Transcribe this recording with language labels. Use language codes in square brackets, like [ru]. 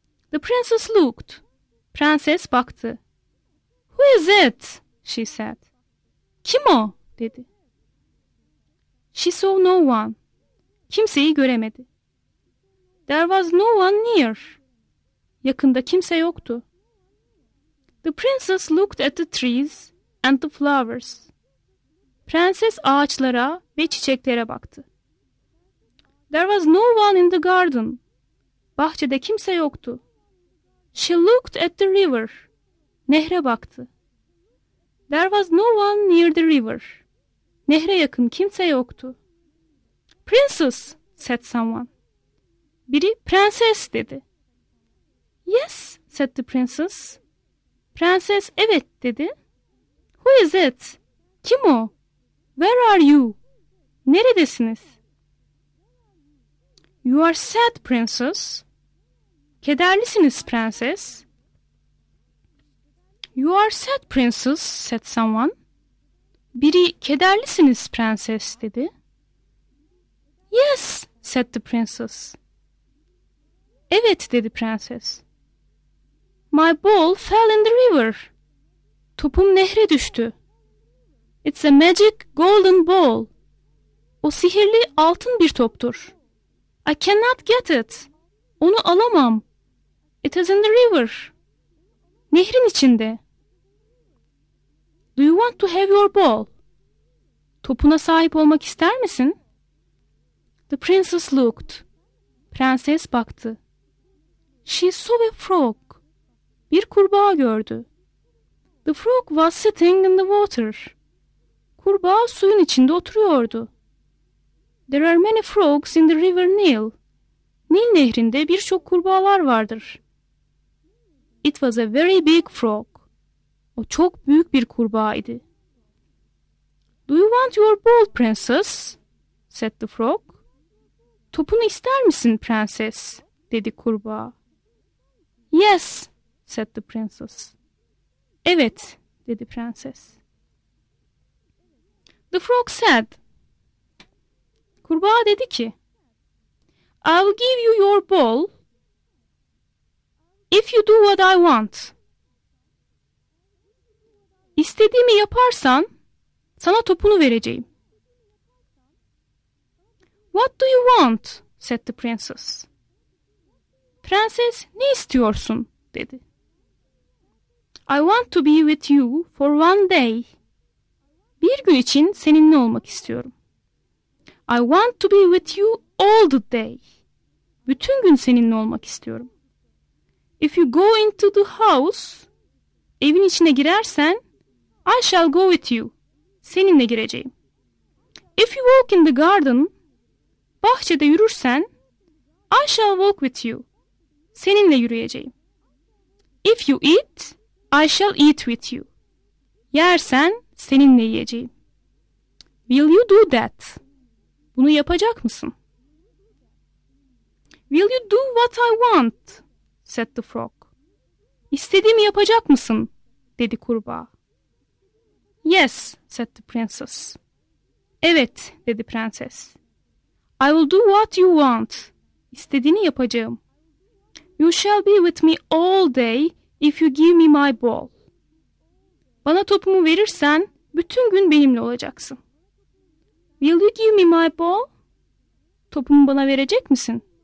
[en] The princess looked. [tr] Prenses baktı. [en] Who is it? she said. [tr] Kim o? Dedi. [en] She saw no one. [tr] Kimseyi göremedi. [en] There was no one near. [tr] Yakında kimse yoktu. [en] The princess looked at the trees and the flowers. [tr] Prenses ağaçlara ve çiçeklere baktı. [en] There was no one in the garden. [tr] Bahçede kimse yoktu. [en] She looked at the river. [tr] Nehre baktı. [en] There was no one near the river. [tr] Nehre yakın kimse yoktu. [en] Princess, said someone. [tr] Biri prenses dedi. [en] Yes, said the princess. [tr] Prenses evet dedi. [en] Who is it? [tr] Kim o? [en] Where are you? [tr] Neredesiniz? [en] You are sad, princess. [tr] Kederlisiniz, prenses. [en] You are sad, princess, said someone. [tr] Biri kederlisiniz, prenses, dedi. [en] Yes, said the princess. [tr] Evet, dedi prenses. [en] My ball fell in the river. [tr] Topum nehre düştü. [en] It's a magic golden ball. [tr] O sihirli altın bir toptur. [en] I cannot get it. [tr] Onu alamam. [en] It is in the river. [tr] Nehrin içinde. [en] Do you want to have your ball? [tr] Topuna sahip olmak ister misin? [en] The princess looked. [tr] Prenses baktı. [en] She saw a frog. [tr] Bir kurbağa gördü. [en] The frog was sitting in the water. [tr] Kurbağa suyun içinde oturuyordu. [en] There are many frogs in the river Nile. [tr] Nil nehrinde birçok kurbağalar vardır. [en] It was a very big frog. [tr] O çok büyük bir kurbağaydı. [en] Do you want your ball, princess? Said the frog. [tr] Topunu ister misin, prenses? Dedi kurbağa. [en] Yes, said the princess. [tr] Evet, dedi prenses. [en] The frog said. [tr] Kurbağa dedi ki, [en] I'll give you your ball if you do what I want. [tr] İstediğimi yaparsan sana topunu vereceğim. [en] What do you want? Said the princess. [tr] Prenses ne istiyorsun? Dedi. [en] I want to be with you for one day. [tr] Bir gün için seninle olmak istiyorum. [en] I want to be with you all the day. [tr] Bütün gün seninle olmak istiyorum. [en] If you go into the house, [tr] evin içine girersen, [en] I shall go with you. [tr] Seninle gireceğim. [en] If you walk in the garden, [tr] bahçede yürürsen, [en] I shall walk with you. [tr] Seninle yürüyeceğim. [en] If you eat, I shall eat with you. [tr] Yersen, seninle yiyeceğim. [en] Will you do that? [tr] Bunu yapacak mısın? [en] Will you do what I want? Said the frog. [tr] İstediğimi yapacak mısın? Dedi kurbağa. [en] Yes, said the princess. [tr] Evet, dedi prenses. [en] I will do what you want. [tr] İstediğini yapacağım. [en] You shall be with me all day if you give me my ball. [tr] Bana topumu verirsen bütün gün benimle olacaksın. [en] Will you give me my ball? [tr] Topumu bana verecek misin?